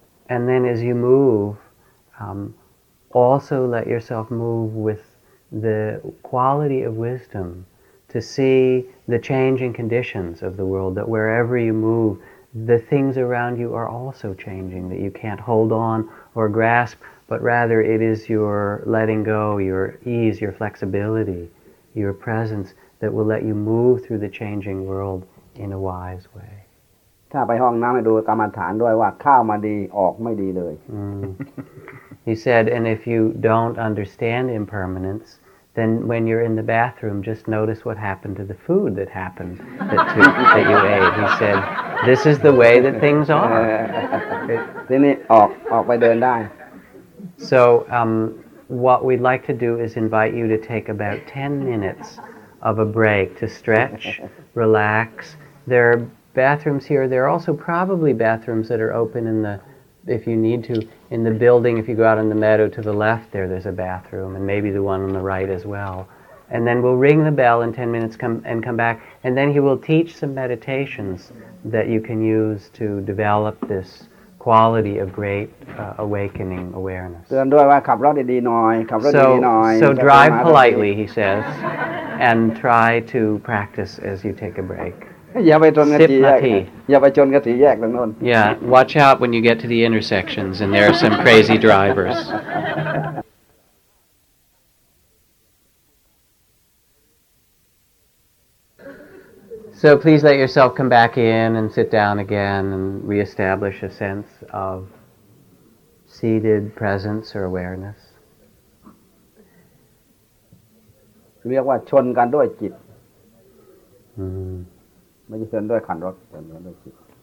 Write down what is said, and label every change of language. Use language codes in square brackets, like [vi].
[en] And then as you move, also let yourself move with the quality of wisdom to see the changing conditions of the world, that wherever you move, the things around you are also changing, that you can't hold on or grasp, but rather it is your letting go, your ease, your flexibility, your presence that will let you move through the changing world in a wise way. [th] ถ้าไปห้องน้ำให้ดูกรรมฐานด้วยว่าเข้ามาดีออกไม่ดีเลย [en] He said, and if you don't understand impermanence, then when you're in the bathroom, just notice what happened to the food that happened that you ate. He said, this is the way that things are. [th] Then ออกไปเดินได้ [en] So what we'd like to do is invite you to take about 10 minutes of a break to stretch, relax. There are bathrooms here. There are also probably bathrooms that are open in the, if you need to, in the building. If you go out in the meadow to the left there, there's a bathroom, and maybe the one on the right as well. And then we'll ring the bell in 10 minutes come back, and then he will teach some meditations that you can use to develop this quality of great awakening awareness. [th] เตือนด้วยว่าขับรถดีๆหน่อยขับรถดีๆหน่อย [en] So drive politely, he says, and try to practice as you take a break. [th] อย่าไปจนกับสี่แยกอย่าไปจนกับสี่แยกตรงนั้น [en] Yeah, watch out when you get to the intersections and there are some crazy drivers. So please let yourself come back in and sit down again and reestablish a sense of seated presence or awareness. [th] เรียกว่าชนกันด้วยจิตไม่ใช่ชนด้วยขันรถแต่ชนด้วยจิต